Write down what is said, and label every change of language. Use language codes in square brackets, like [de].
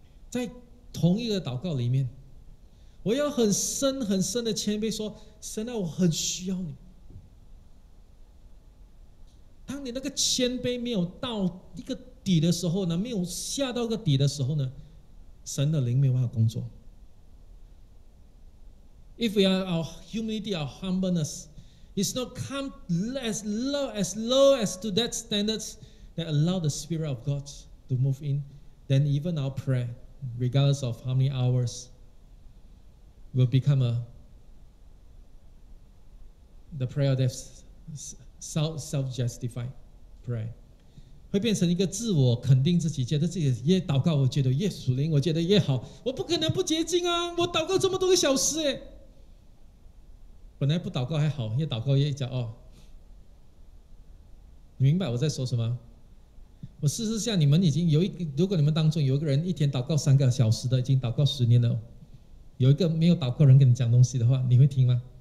[zh] 在同一个祷告里面，我要很深很深的谦卑，说神啊，我很需要你。当你那个谦卑没有到一个底的时候呢，没有下到一个底的时候呢，神的灵没有办法工作。 [en] If we are our humility, our humbleness, it's not come as low as to that standard that allow the Spirit of God to move in, then even our prayer, regardless of how many hours, will become the prayer of self-justified prayer， [zh] 会变成一个自我肯定自己，觉得自己越祷告，我觉得越属灵，我觉得越好，我不可能不洁净啊！我祷告这么多个小时，本来不祷告还好，越祷告越骄傲。你明白我在说什么？我试试下，你们已经有一个，如果你们当中有一个人一天祷告三个小时的，已经祷告十年了，有一个没有祷告人跟你讲东西的话，你会听吗？